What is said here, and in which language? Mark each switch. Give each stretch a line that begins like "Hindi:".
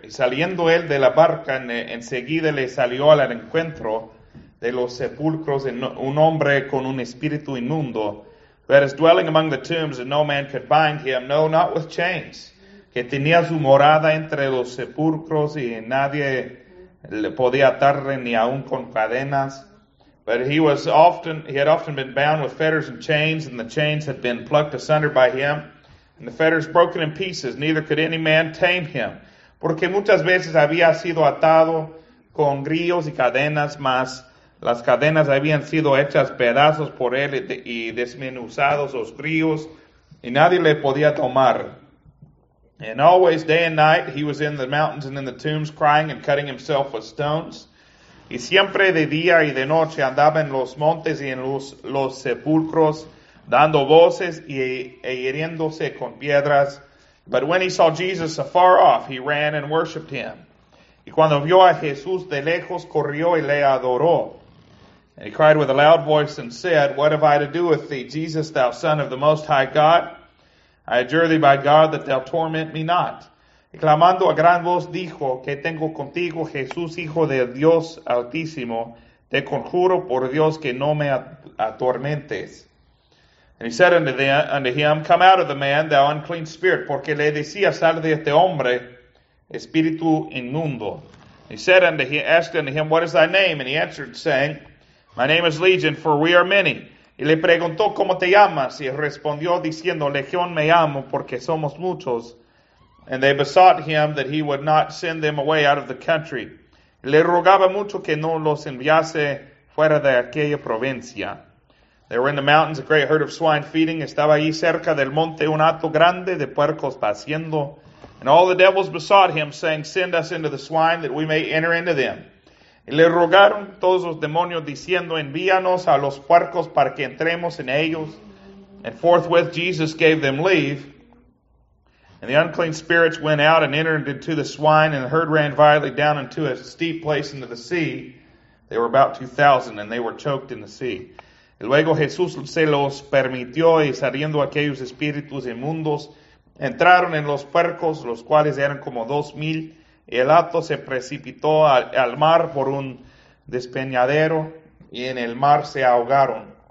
Spanish: Y saliendo él de la barca, enseguida le salió al encuentro de los sepulcros un hombre con un espíritu inmundo,
English: who had his dwelling among the tombs, and no man could bind him, no, not with chains,
Spanish: que tenía su morada entre los sepulcros, y nadie le podía atar ni aun con cadenas.
English: But he had often been bound with fetters and chains, and the chains had been plucked asunder by him, and the fetters broken in pieces, neither could any man tame him.
Spanish: Porque muchas veces había sido atado con grillos y cadenas, mas las cadenas habían sido hechas pedazos por él y desmenuzados los grillos, y nadie le podía tomar.
English: And always, day and night, he was in the mountains and in the tombs, crying and cutting himself with stones.
Spanish: Y siempre de día y de noche andaba en los montes y en los sepulcros, dando voces y hiriéndose con piedras.
English: But when he saw Jesus afar off, he ran and worshipped him.
Spanish: Y cuando vio a Jesús de lejos, corrió y le adoró.
English: And he cried with a loud voice and said, What have I to do with thee, Jesus, thou Son of the Most High God? I adjure thee by God that thou torment me not.
Spanish: Y clamando a gran voz dijo, ¿Qué tengo contigo, Jesús, Hijo de Dios Altísimo? Te conjuro por Dios que no me atormentes.
English: And he said unto him, Come out of the man, thou unclean spirit,
Spanish: porque le decía, Sal de este hombre, espíritu inmundo.
English: And he said asked unto him, What is thy name? And he answered, saying, My name is Legion, for we are many.
Spanish: Y le preguntó, ¿Cómo te llamas? Y respondió, diciendo, Legión me llamo, porque somos muchos.
English: And they besought him that he would not send them away out of the country.
Spanish: Y le rogaba mucho que no los enviase fuera de aquella provincia.
English: They were in the mountains, a great herd of swine feeding.
Spanish: Estaba allí cerca del monte un hato grande de puercos paciendo.
English: And all the devils besought him, saying, Send us into the swine, that we may enter into them.
Spanish: Y le rogaron todos los demonios, diciendo, Envíanos a los puercos para que entremos en ellos.
English: And forthwith Jesus gave them leave. And the unclean spirits went out and entered into the swine, and the herd ran violently down into a steep place into the sea. They were about 2,000, and they were choked in the sea.
Spanish: Y luego Jesús se los permitió, y saliendo aquellos espíritus inmundos, entraron en los puercos, los cuales eran como 2,000, y el hato se precipitó al mar por un despeñadero, y en el mar se ahogaron.